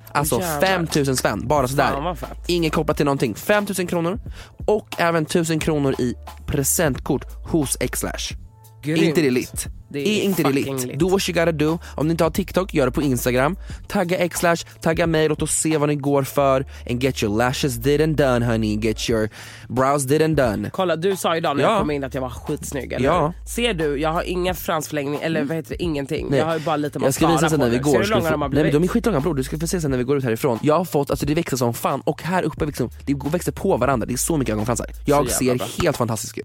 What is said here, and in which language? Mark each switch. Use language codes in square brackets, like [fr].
[sv] Alltså 5000 spänn, bara sådär. Inget kopplat till någonting. 5000 kronor och även 1000 kronor i presentkort hos X-Lash. Grymt. Inte det lit? Det är inte det lit. [en] Do what you gotta do. [sv] Om ni inte har TikTok, gör det på Instagram. Tagga X-Lash, tagga mig, låt oss se vad ni går för. [en] And get your lashes did and done honey. Get your brows did and done. [sv] Kolla, du sa idag när jag kom in att jag var skitsnygg, eller? Ja. Ser du, jag har inga fransförlängning. Eller vad heter det, ingenting. Nej. Jag har ju bara lite. Jag ska visa sen när vi går. Ser du hur långa de har blivit? Nej, men de är skitlånga, bror. Du ska få se sen när vi går ut härifrån. Jag har fått, alltså det växer som fan. Och här uppe liksom, det växer på varandra. Det är så mycket ögonfransar. Jag ser bra. Helt fantastiskt.